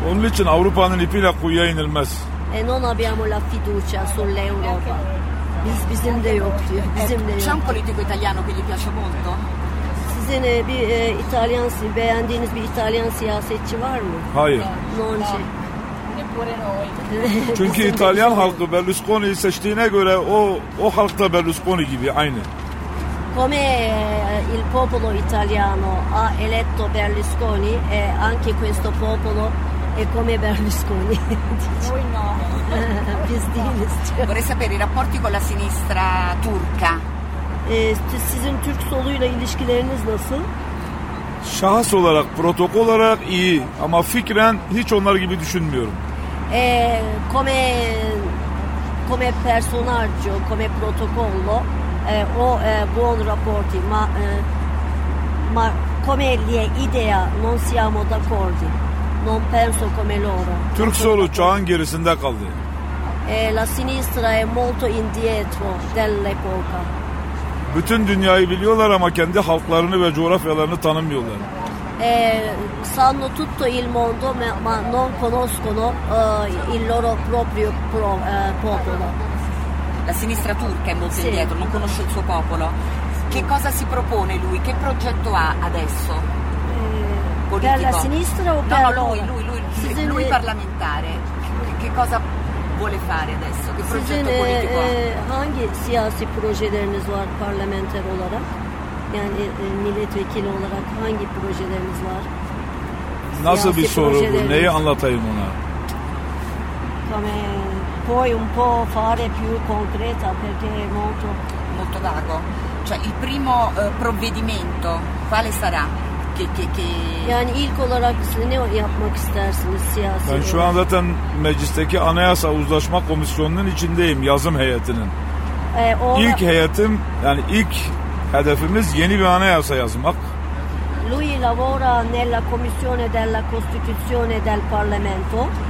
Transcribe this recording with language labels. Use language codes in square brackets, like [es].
[tr] Onun için Avrupa'nın ipiyle kuyuya inilmez. [it] Non abbiamo la fiducia sull'Europa. [tr] Bizim de yok diyor. Bizim de yok. [it] C'è un politico italiano che gli piace molto? [tr] Sizin bir İtalyan, beğendiğiniz bir İtalyan siyasetçi var mı? Hayır. [it] Non c'è. [tr] Çünkü İtalyan halkı Berlusconi'yi seçtiğine göre o halk da Berlusconi gibi aynı. [it] Come il popolo italiano ha eletto Berlusconi, anche questo popolo è come Berlusconi. Voi no. [tr] Biz değiliz. [it] Vorrei sapere i rapporti con la sinistra turca. [tr] Sizin Türk soluyla ilişkileriniz nasıl? Şahıs olarak, protokol olarak iyi. Ama fikren hiç onlar gibi düşünmüyorum. [it] Come personaggio, come protocollo, buon rapporti, ma come le idee non siamo d'accordo, non penso come loro. [tr] Türk solu çağın gerisinde kaldı. [it] La sinistra è molto indietro dell'epoca. [tr] Bütün dünyayı biliyorlar ama kendi halklarını ve coğrafyalarını tanımıyorlar. [it] Sanno tutto il mondo ma non conoscono il loro proprio popolo. La sinistra turca è molto indietro, non conosce il suo popolo. Che cosa si propone lui? Che progetto ha adesso? Politico. Per la sinistra o per lui parlamentare. Che cosa vuole fare adesso? Che progetto politico? [tr] Hangi siyasi projeleriniz var parlamenter olarak? Yani milletvekili olarak hangi projeleriniz var? Nasıl bir soru bu? Neyi anlatayım ona? Come puoi un po' fare più concreta perché è molto molto vago. Cioè il primo provvedimento quale sarà? Yani ilk olarak ne yapmak istersiniz siyasi? Ben şu an zaten meclisteki Anayasa Uzlaşma Komisyonu'nun içindeyim, yazım heyetinin. İlk heyetim, yani ilk hedefimiz yeni bir anayasa yazmak. [it] Lui lavora nella commissione della Costituzione del Parlamento.